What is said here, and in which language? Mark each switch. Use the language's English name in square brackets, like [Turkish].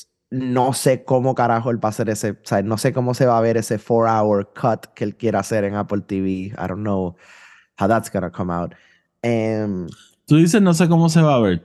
[Spanish] No sé cómo carajo él va a hacer ese... O sea, no sé cómo se va a ver ese 4-hour cut que él quiere hacer en Apple TV. [English] I don't know how that's gonna come out. [Spanish] Tú dices no sé cómo se va a ver.